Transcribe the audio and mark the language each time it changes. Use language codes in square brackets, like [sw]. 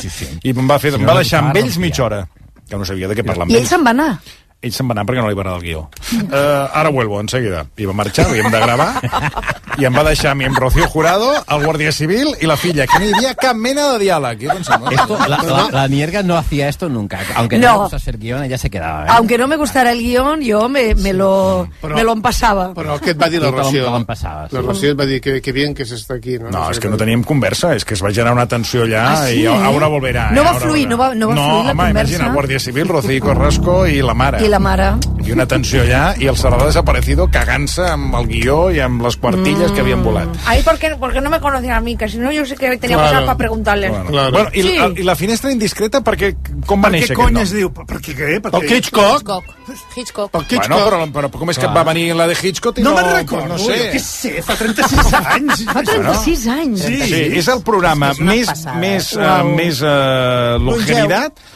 [ca] sí. I em va fer, si no, va deixar amb ells mitja hora, que no sabia de què parlar amb ells. I ell se'n va anar? Ell se'n va anar perquè no li va agradar el guió. Ara [es] vuelvo, en seguida. [ca] I va marxar, havíem de gravar, i em va deixar a mi amb Rocío Jurado, el Guàrdia Civil i la filla, que no hi havia cap mena de diàleg. [es] La mierda no hacía esto nunca. Aunque no gustara ser guión, ella se quedaba. ¿Eh? Aunque no me gustara el guión, [ca] jo me lo empassava. Però què et va dir la Rocío? La Rocío et va dir [es] que bien que [ca] s'està aquí. No, no, és que no teníem conversa, és que es va generar una tensió allà, sí? I ara volverà. No va fluir, no va fluir home, la conversa. No, home, imagina, Guàrdia Civil, Rocío Carrasco i la mare. I la mare. I una tensió allà, i el Cerdà [es] desaparecido [ca] cagant-se amb el guió i amb les quartilles que havien volat. [es] Ay, porque no me conocen a mí, que si no yo sé que tenía que pasar para preguntarles. [ca] Bueno, sí. I la finestra indiscreta, perquè com va néixer aquest nom? Per què conya es diu? Per què? El Hitchcock? Hitchcock. Però com és que va venir la de Hitchcock? No me'n recordo, no sé. Què sé, fa 36 anys. Fa 36 anys. Sí, és el programa més longevitat.